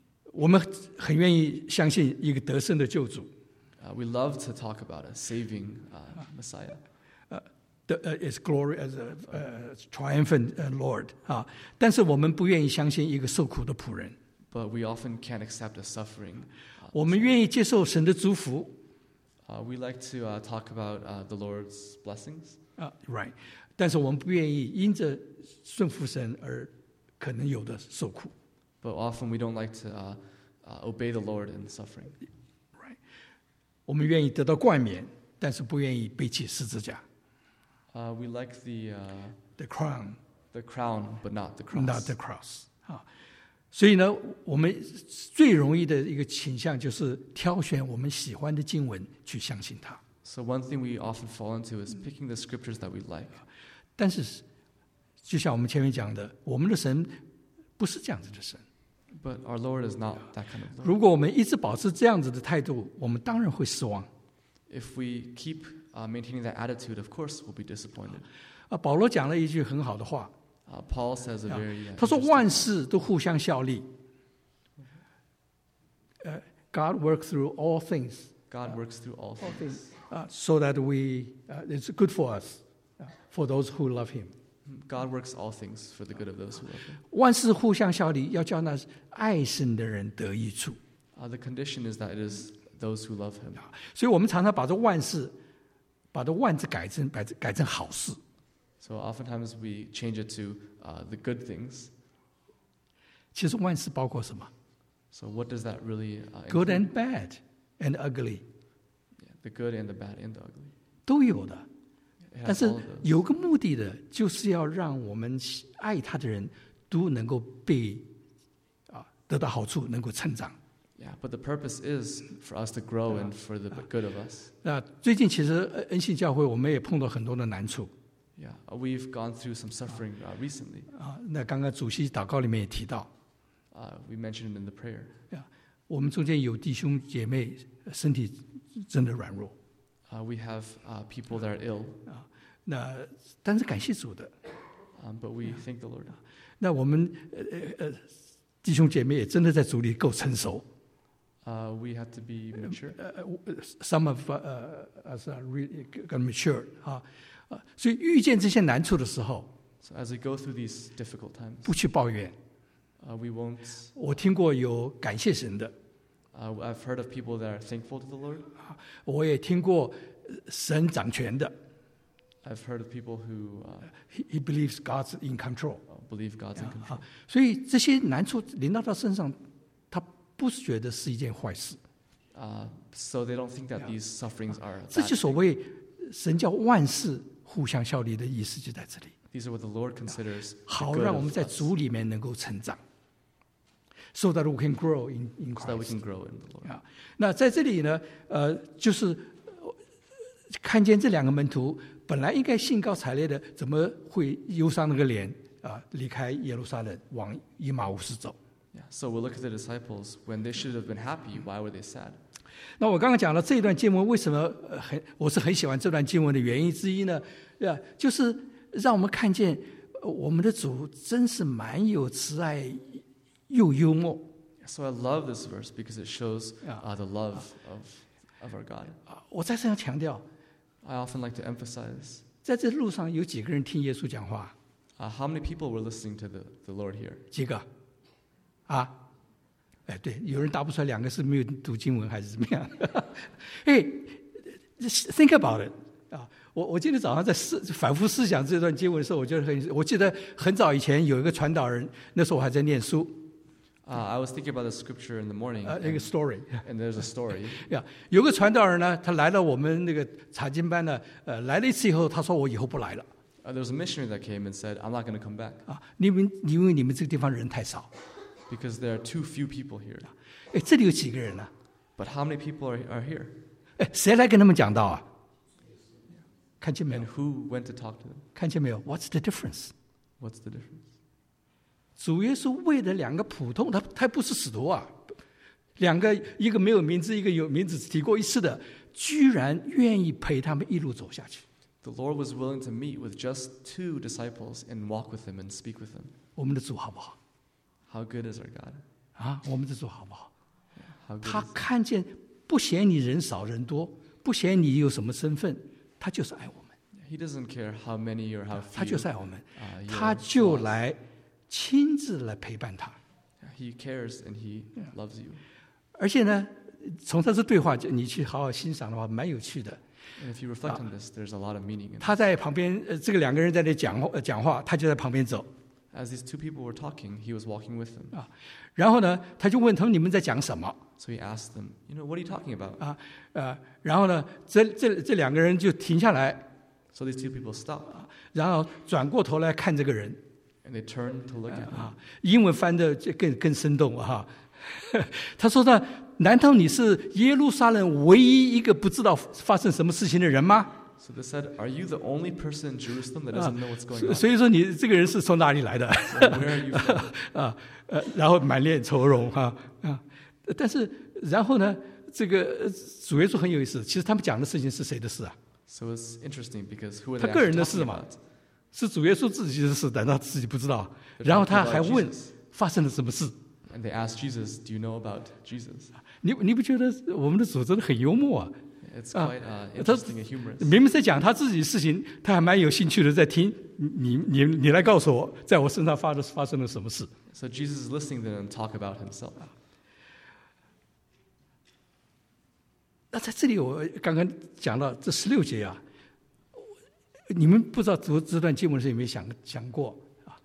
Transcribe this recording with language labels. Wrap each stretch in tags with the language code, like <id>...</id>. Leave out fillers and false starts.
<zh>我们很愿意相信一个得胜的救主。</zh> <en>We love to talk about a saving Messiah. Is glory as a triumphant Lord.</en> <zh>但是我们不愿意相信一个受苦的仆人。</zh> <en>But we often can't accept a suffering.</en> <zh>我们愿意接受神的祝福。</zh> <en>We like to talk about the Lord's blessings. Right.</en> <zh>但是我们不愿意因着顺服神而可能有的受苦。</zh> <en>But often we don't like to obey the Lord in suffering. Right.</en> <zh>我们愿意得到冠冕，但是不愿意背起十字架。</zh> <en>We like the crown. The crown, but not the cross. Not the cross.</en> <zh>所以呢，我们最容易的一个倾向就是挑选我们喜欢的经文去相信它。</zh> <en>So one thing we often fall into is picking the scriptures that we like.</en> <zh>但是，就像我们前面讲的，我们的神不是这样子的神。</zh> <en>But our Lord is not that kind of Lord.</en> <zh>如果我们一直保持这样子的态度，我们当然会失望。</zh> <en>If we keep maintaining that attitude, of course we'll be disappointed.</en> <zh>保罗讲了一句很好的话。</zh> <en>Paul says a very</en> <zh>他说万事都互相效力。</zh> <en>God works through all things. God works through all things. So that it's good for us, for those who love him. God works all things for the good of those who love him.</en> <zh>万事互相效力，要叫那爱神的人得益处。</zh> <en>The condition is that it is those who love him.</en> <zh>所以我们常常把这万事，把这万字改成好事。</zh> <en>So oftentimes we change it to the good things.</en> <zh>其实万事包括什么？</zh> <en>So what does that really good and bad and ugly. Yeah, the good and the bad and the ugly.</en> <zh>都有的。但是有个目的的，就是要让我们爱他的人都能够被得到好处，能够成长。</zh> <en>Yeah, but the purpose is for us to grow and for the good of us.</en> <zh>最近其实恩信教会我们也碰到很多的难处。</zh> <en>Yeah, we've gone through some suffering recently.</en> <zh>那刚刚主席祷告里面也提到。</zh> <en>We mentioned in the prayer.</en> <zh>Yeah, 我们中间有弟兄姐妹身体真的软弱。</zh> <en>We have people that are ill.</en> <zh>那但是感谢主的。</zh> <en>But we thank the Lord.</en> <zh>那我们弟兄姐妹也真的在主里够成熟。</zh> <en>We have to be mature. Some of us are really got mature.</en> <zh>所以遇见这些难处的时候，</zh> <en>so as we go through these difficult times,</en> <zh>不去抱怨。</zh> <en>We won't,</en> <zh>我听过有感谢神的。</zh> <en>I've heard of people that are thankful to the Lord.</en> <zh>我也听过神掌权的。</zh> <en>I've heard of people who, he believes God's in control. Believe God's in control.</en> <zh>所以这些难处临到他身上，他不是觉得是一件坏事。</zh> <en>So they don't think that these sufferings are.</en> <zh>这就所谓神叫万事互相效力的意思就在这里。</zh> <en>These are what the Lord considers.</en> <zh>好，让我们在主里面能够成长。</zh> <en>So that we can grow in Christ. So that we can grow in the Lord.</en> <zh>那在这里呢，就是看见这两个门徒本来应该兴高采烈的，怎么会忧伤那个脸啊，离开耶路撒冷往以马忤走。</zh> <en>So we look at the disciples when they should have been happy. Why were they sad?</en> <zh>那我刚刚讲了这段经文为什么我是很喜欢这段经文的原因之一呢？就是让我们看见我们的主真是蛮有慈爱又幽默。</zh> <en>So I love this verse because it shows the love of our God.</en> <zh>我再这样强调。</zh> <en>I often like to emphasize.</en> <zh>在这路上有几个人听耶稣讲话？</zh> <en>How many people were listening to the Lord here?</en> <zh>几个？哎，对，有人答不出来，两个是没有读经文还是怎么样？</zh> <en>哎，think about it 啊！</en> <zh>我今天早上在反复思想这段经文的时候，我记得很早以前有一个传道人，那时候我还在念书。</zh> <en>I was thinking about the scripture in the morning. A story. And there's a story.</en> <zh>Yeah, 有个传道人呢，他来了我们那个查经班呢，来了一次以后，他说我以后不来了。</zh> <en>There was a missionary that came and said, "I'm not going to come back."</en> <zh>啊，因为你们这个地方人太少。</zh> <en>Because there are too few people here.</en> <zh>哎，这里有几个人呢？</zh> <en>But how many people are here?</en> <zh>哎，谁来跟他们讲道啊？看见没有？</zh> <en>And who went to talk to them?</en> <zh>看见没有？</zh> <en>What's the difference? What's the difference?</en> <zh>主耶稣为了两个普通，他不是使徒啊，两个，一个没有名字，一个有名字，只提过一次的，居然愿意陪他们一路走下去。</zh> <en>The Lord was willing to meet with just two disciples and walk with them and speak with them.</en> <zh>我们的主好不好？</zh> <en>How good is our God?</en> <zh>啊，我们的主好不好？</zh> <en>How good</en> <zh>他看见不嫌你人少人多，不嫌你有什么身份，他就是爱我们。</zh> <en>He doesn't care how many or how few.</en> <zh>他就是爱我们，他就来亲自来陪伴他。</zh> <en>He cares and he loves you.</en> <zh>而且呢，从他这对话，你去好好欣赏的话，蛮有趣的。</zh> <en>And if you reflect on this, there's a lot of meaning.</en> <zh>他在旁边，这个两个人在那讲话，他就在旁边走。</zh> <en>As these two people were talking, he was walking with them.</en> <zh>然后呢，他就问他们：“你们在讲什么？”</zh> <en>So he asked them, "You know, what are you talking about?"</en> <zh>然后呢，这两个人就停下来。</zh> <en>So these two people stop.</en> <zh>然后转过头来看这个人。</zh> <en>And they turn to look at him.</en> <zh>英文翻的更生动啊！他说呢：“难道你是耶路撒冷唯一一个不知道发生什么事情的人吗？”</zh> <en>So they said, "Are you the only person in Jerusalem that doesn't know what's going on?"</en> <zh>所以说你这个人是从哪里来的？</zh> <en>Where are you from?</en> <zh>然后满脸愁容啊！但是然后呢，这个主耶稣很有意思。其实他们讲的事情是谁的事啊？</zh> <en>So it's interesting because who are they about?</en> <zh>他个人的事嘛，是主耶稣自己的事，难道自己不知道？然后他还问发生了什么事？</zh> <en>And they asked Jesus, "Do you know about Jesus?"</en> <zh>你不觉得我们的主真的很幽默啊？</zh> <en>It's quite interesting and humorous.</en> <zh>明明在讲他自己的事情，他还蛮有兴趣的在听。你来告诉我，在我身上发生了什么事。</zh> <en>So Jesus is listening to them talk about himself.</en> <zh>那在这里，我刚刚讲到这十六节啊，你们不知道读这段经文的时候有没有想过啊</zh>